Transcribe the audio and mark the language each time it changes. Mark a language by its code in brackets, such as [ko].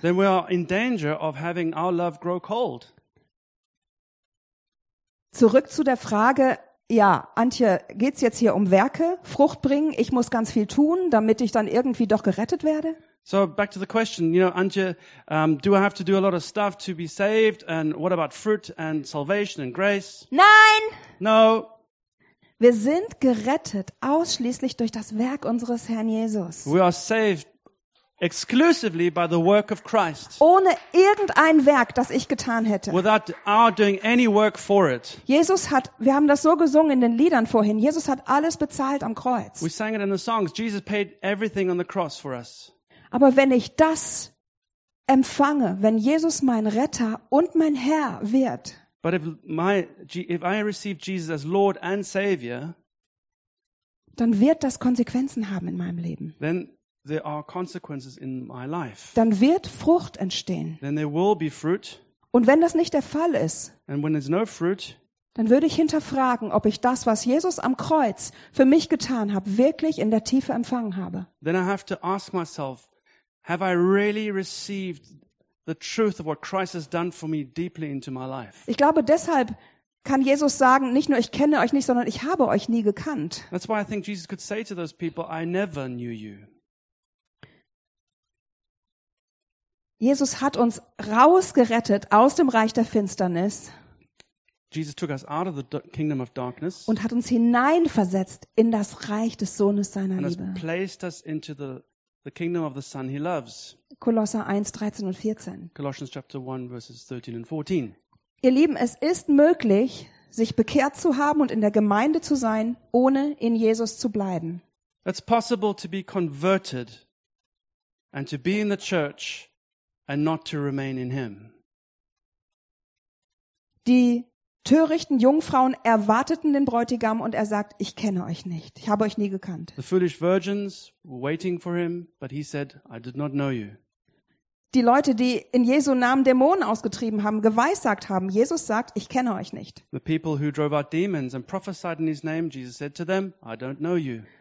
[en] Then we are in danger of having our love grow cold. [de] Zurück zu der Frage, ja, Antje, geht's jetzt hier um Werke, Frucht bringen? Ich muss ganz viel tun, damit ich dann irgendwie doch gerettet werde? [en] So back to the question, you know, Antje, do I have to do a lot of stuff to be saved? And what about fruit and salvation and grace? [de] Nein. [en] No. [de] Wir sind gerettet ausschließlich durch das Werk unseres Herrn Jesus. [en] We are saved exclusively by the work of Christ. [de] Ohne irgendein Werk, das ich getan hätte. [en] Without our doing any work for it. [de] Jesus hat, wir haben das so gesungen in den Liedern vorhin. Jesus hat alles bezahlt am Kreuz. [en] We sang it in the songs. Jesus paid everything on the cross for us. [de] Aber wenn ich das empfange, wenn Jesus mein Retter und mein Herr wird. [en] But if I receive Jesus as Lord and Savior, [de] dann wird das Konsequenzen haben in meinem Leben. [en] Then there are consequences in my life. [de] Dann wird Frucht entstehen. [en] Then there will be fruit. [de] Und wenn das nicht der Fall ist, [en] and when there's no fruit, [de] dann würde ich hinterfragen, ob ich das, was Jesus am Kreuz für mich getan hat, wirklich in der Tiefe empfangen habe. [en] Then I have to ask myself, have I really received the truth of what Christ has done for me deeply into my life? [de] Ich glaube, deshalb kann Jesus sagen, nicht nur ich kenne euch nicht, sondern ich habe euch nie gekannt. [en] That's why I think Jesus could say to those people, I never knew you. [de] Jesus hat uns rausgerettet aus dem Reich der Finsternis. [en] Jesus took us out of the kingdom of darkness. [de] Und hat uns hineinversetzt in das Reich des Sohnes seiner Liebe. [en] And has placed us into the kingdom of the Son he loves. [de] Kolosser 1, 13 und 14. [en] Colossians chapter 1, verses 13 and 14. [de] Ihr Lieben, es ist möglich, sich bekehrt zu haben und in der Gemeinde zu sein, ohne in Jesus zu bleiben. [en] It's possible to be converted and to be in the church and not to remain in him. [de] Die törichten Jungfrauen erwarteten den Bräutigam und er sagt, ich kenne euch nicht. Ich habe euch nie gekannt. [en] The foolish virgins were waiting for him, but he said, I did not know you. [de] Die Leute, die in Jesu Namen Dämonen ausgetrieben haben, geweissagt haben, Jesus sagt, ich kenne euch nicht. [en] The people who drove out demons and prophesied in his name, Jesus said to them, I don't know you.